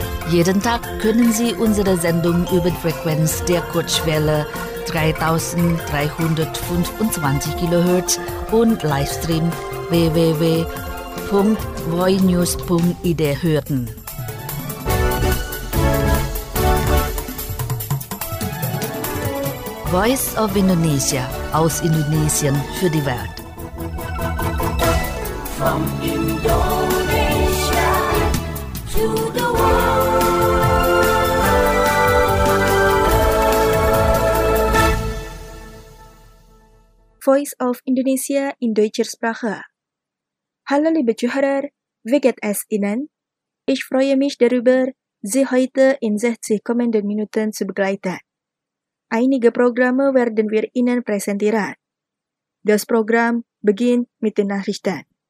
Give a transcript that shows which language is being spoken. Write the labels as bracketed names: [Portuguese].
[German] Jeden Tag können Sie unsere Sendung über die Frequenz der Kurzschwelle 3325 kHz und Livestream www.voinews.id hören. Voice of Indonesia aus Indonesien für die Welt. [English] From Indonesia to the world. [German] Voice of Indonesia in deutscher Sprache. Hallo liebe Zuhörer, wie geht es Ihnen? Ich freue mich darüber, Sie heute in 60 kommenden Minuten zu begleiten. Einige Programme werden wir Ihnen präsentieren. Das Programm beginnt mit den Nachrichten.